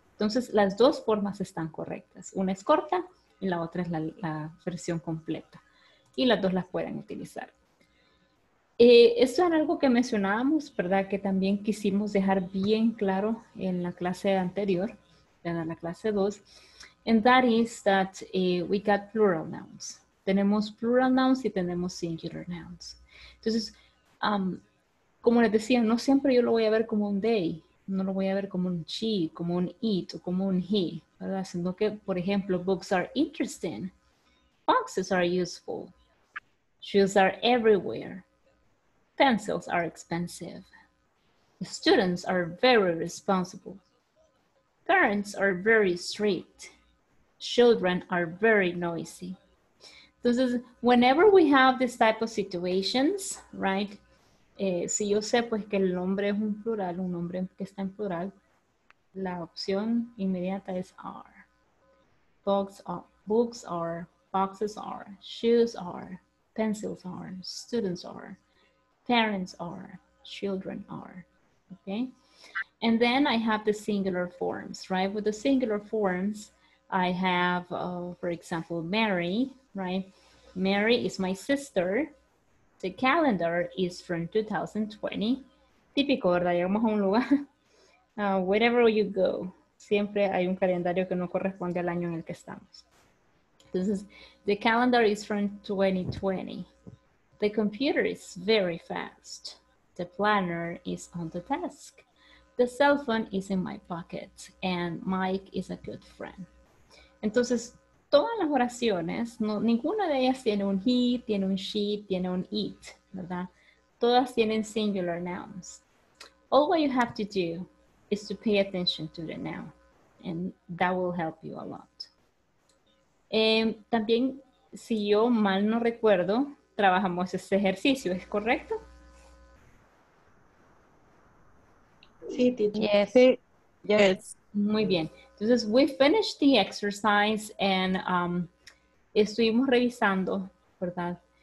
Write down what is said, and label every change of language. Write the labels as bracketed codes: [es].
[es] Entonces, las dos formas están correctas. Una es corta y la otra es la versión completa. Y las dos las pueden utilizar. Esto era algo que mencionábamos, ¿verdad? Que también quisimos dejar bien claro en la clase anterior. En la clase 2, [en] and that is that we got plural nouns. [es] Tenemos plural nouns y tenemos singular nouns. Entonces, como les decía, no siempre yo lo voy a ver como un they, no lo voy a ver como un she, como un it, o como un he, ¿verdad? Sino que, por ejemplo, [en] books are interesting, boxes are useful, shoes are everywhere, pencils are expensive, the students are very responsible. Parents are very strict. Children are very noisy. [es] Entonces, [en] whenever we have this type of situations, right? [es] Si yo sé pues que el nombre es un plural, un nombre que está en plural, la opción inmediata es are. [en] Books are, boxes are, shoes are, pencils are, students are, parents are, children are. Okay? And then I have the singular forms, right? With the singular forms, I have, for example, Mary, right? Mary is my sister. The calendar is from 2020. [es] Típico, ¿verdad? Llegamos a un lugar. [en] Wherever you go, [es] siempre hay un calendario que no corresponde al año en el que estamos. Entonces, [en] the calendar is from 2020. The computer is very fast. The planner is on the desk. The cell phone is in my pocket and Mike is a good friend. [es] Entonces, todas las oraciones, no, ninguna de ellas tiene un he, tiene un she, tiene un it, ¿verdad? Todas tienen singular nouns. [en] All what you have to do is to pay attention to the noun, and that will help you a lot. [es] También, si yo mal no recuerdo, trabajamos ese ejercicio, ¿es correcto? Sí, teacher. [en] Yes. Yes. [es] Muy bien. Entonces, [en] we finished the exercise [es] and estuvimos revisando, ¿verdad?